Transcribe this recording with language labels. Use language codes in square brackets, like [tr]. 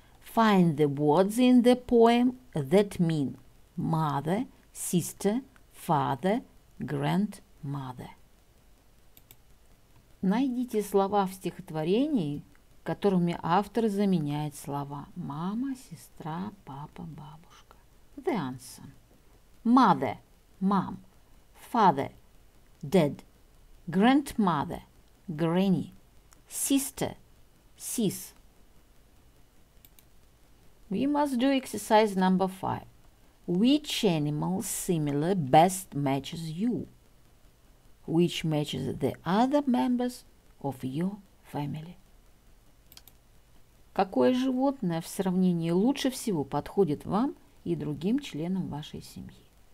[en] Find the words in the poem that mean mother, sister, father, grandmother. [ru] Найдите слова в стихотворении, которыми автор заменяет слова мама, сестра, папа, бабушка. [en] The answer. Mother – mom, father – dead, grandmother – granny, sister – sis. We must do exercise number five. Which animal similar best matches you? Which matches the other members of your family? [ru] Какое животное в сравнении лучше всего подходит вам и другим членам вашей семьи?